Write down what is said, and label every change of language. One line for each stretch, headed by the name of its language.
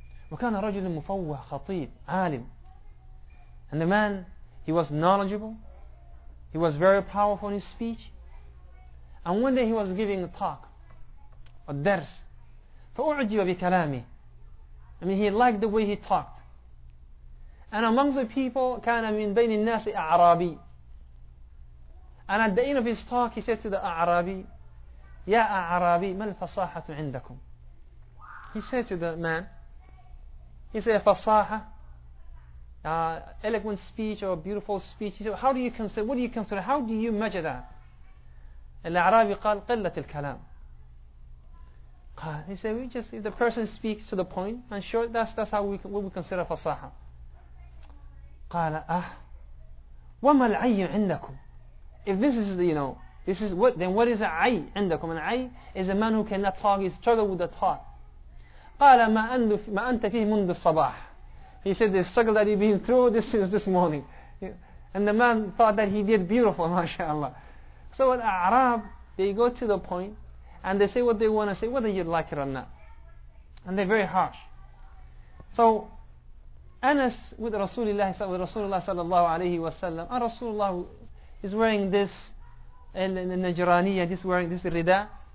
Arabic: وكان رجل مفوه خطيب عالم.
English: And the man, he was knowledgeable. He was very powerful in his speech. And one day he was giving a talk, a درس.
Arabic: فَأُعْجِبَ بِكَلَامِهِ.
English: I mean, he liked the way he talked. And among the people,
Arabic: كان من بين الناس أعرابي.
English: And at the end of his talk, he said to the A'rabi,
Arabic: Ya A'rabi, ma al-fasahatu indakum?
English: He said to the man, he said, Fasaha, eloquent speech or beautiful speech. He said, how do you consider, what do you consider, how do you measure that?
Arabic: Al-A'rabi qal, qillat al-kalam.
English: He said, if the person speaks to the point, and sure, that's how we, what we consider fasaha.
Arabic: Qala, wa ma al-ayyu indakum?
English: If this is, you know, this is what, then what is a'ay عندكم? An a'ay is a man who cannot talk, he struggles with the talk.
Arabic: قال ما أنت فيه منذ الصباح.
English: He said the struggle that he's been through this morning. And the man thought that he did beautiful, mashallah. So the A'rab, they go to the point, and they say what they want to say, whether you like it or not. And they're very harsh. So Anas with Rasulullah sallallahu alayhi wa sallam, and Rasulullah, he's wearing this Najraniya, he's wearing this rida.